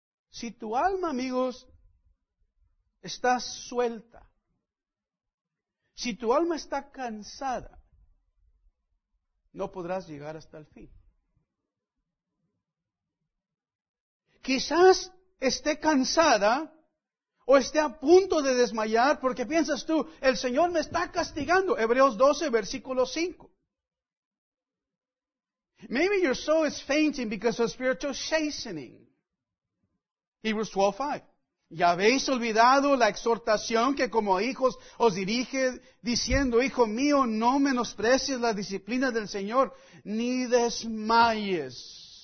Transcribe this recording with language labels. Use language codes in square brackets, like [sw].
[es] Si tu alma, amigos, está suelta, si tu alma está cansada, no podrás llegar hasta el fin. Quizás esté cansada o esté a punto de desmayar porque piensas tú, el Señor me está castigando. Hebreos 12, versículo 5. [en] Maybe your soul is fainting because of spiritual chastening. Hebrews 12, 5. [es] ¿Ya habéis olvidado la exhortación que como hijos os dirige diciendo, hijo mío, no menosprecies la disciplina del Señor, ni desmayes?